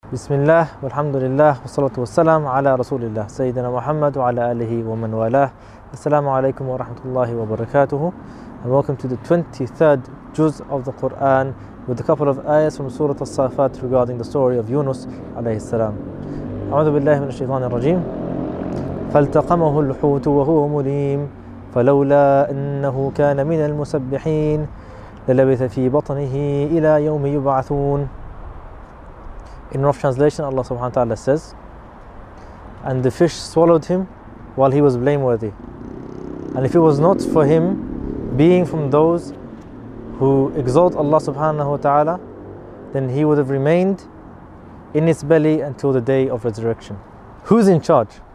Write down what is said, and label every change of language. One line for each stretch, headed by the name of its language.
Arabic: بسم الله والحمد لله والصلاة والسلام على رسول الله سيدنا محمد وعلى آله ومن والاه. السلام عليكم ورحمة الله وبركاته.
English: And welcome to the 23rd juz of the Quran with a couple of ayahs from Surah As-Safat regarding the story of Yunus عليه السلام.
Arabic: أعوذ بالله من الشيطان الرجيم. فالتقمه الحوت وهو مليم فلولا أنه كان من المسبحين للبث في بطنه إلى يوم يبعثون.
English: In rough translation, Allah subhanahu wa ta'ala says, and the fish swallowed him while he was blameworthy. And if it was not for him being from those who exalt Allah subhanahu wa ta'ala, then he would have remained in its belly until the day of resurrection. Who's in charge?